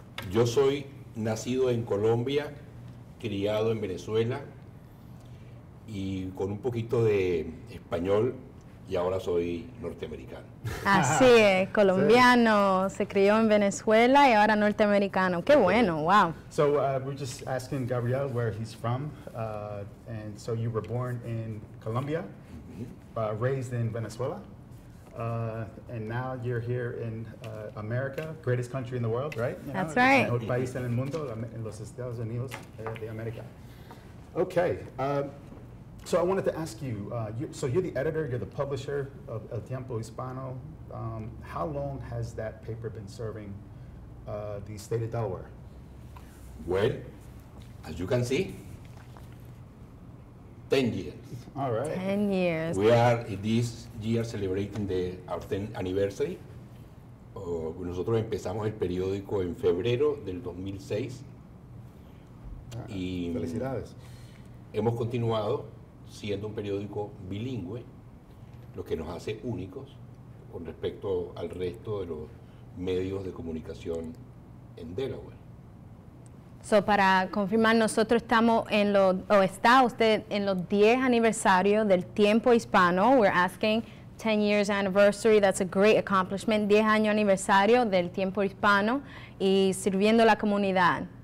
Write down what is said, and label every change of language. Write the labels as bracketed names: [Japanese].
[Spanish] Yo soy nacido en Colombia, criado en Venezuela y con un poquito de español y ahora soy norteamericano. Así es, colombiano, sí. Se crió en Venezuela y ahora norteamericano. Qué bueno, wow. [English] So we're just asking Gabriel where he's from. And so you were born in Colombia, raised in Venezuela. And now you're here in America, greatest country in the world, right? You know, that's right. [Spanish] El país en el mundo, en los Estados Unidos de América. [English] Okay. So I wanted to ask you, so you're the editor, you're the publisher of El Tiempo Hispano. How long has that paper been serving the state of Delaware? Well, as you can see, 10 years. All right. 10 years. We are this year celebrating our 10th anniversary. [Spanish] Nosotros empezamos el periódico en febrero del 2006. Y felicidades. Hemos continuado siendo un periódico bilingüe, lo que nos hace únicos con respecto al resto de los medios de comunicación en Delaware. So, para confirmar, nosotros estamos en los, o está usted en los 10 aniversarios del Tiempo Hispano. [English] We're asking 10 years anniversary, that's a great accomplishment. [Spanish] 10 años aniversario del Tiempo Hispano y sirviendo a la comunidad.